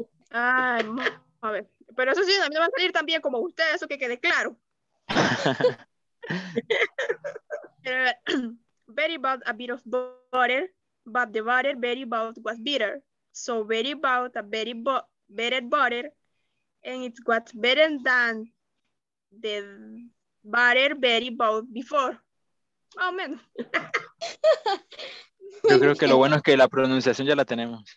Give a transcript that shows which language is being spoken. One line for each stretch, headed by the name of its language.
Spanish: A ver, pero eso sí, a mí me va a salir tan bien como ustedes, eso que quede claro.
English: Very bad, a bit of butter, but the butter very bad was bitter. So very bad, a very better butter, and it was better than the butter very bad before. Oh, man.
Spanish: Yo creo que lo bueno es que la pronunciación ya la tenemos.